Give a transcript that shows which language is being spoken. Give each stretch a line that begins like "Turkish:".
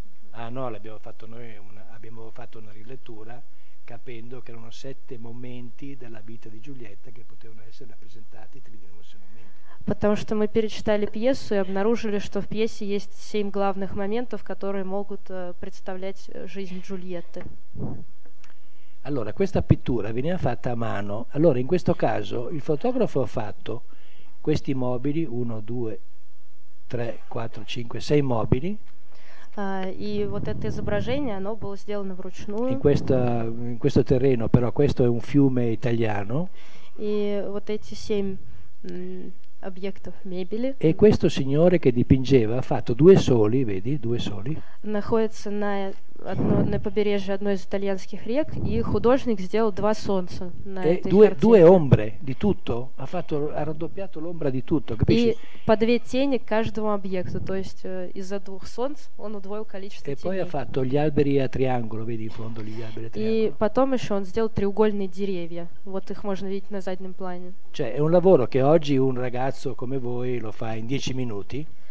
Italian: А, no, l'abbiamo fatto noi, abbiamo fatto una rilettura, capendo che erano sette momenti della vita di Giulietta che potevano essere rappresentati tridimensionalmente.
Russian: Потому что мы перечитали пьесу и обнаружили, что в пьесе есть семь главных моментов, которые могут представлять жизнь Джульетты.
Italian: Allora, questa pittura veniva fatta a mano. Allora, in questo caso, il fotografo ha fatto questi mobili, 1, 2, 3, 4, 5, 6 mobili.
Russian: И вот это изображение, оно было сделано вручную.
Italian: In questo terreno, però, questo è un fiume italiano.
Russian: И вот эти семь объектов мебели.
Italian: E questo signore che dipingeva ha fatto due soli, vedi, due soli.
Russian: Находится на побережье одной из итальянских рек, и художник сделал два солнца на этой картине.
Italian: Due ombre di tutto, ha raddoppiato l'ombra di tutto, capisci?
Russian: И по две тени каждому объекту, то есть из-за двух солнц он удвоил количество теней.
Italian: E poi ha fatto gli alberi a triangolo, vedi in fondo gli alberi a triangolo.
Russian: И потом еще он сделал треугольные деревья, вот их можно видеть на заднем плане.
Italian: Cioè, è un lavoro che oggi un ragazzo come voi lo fa in 10 minuti.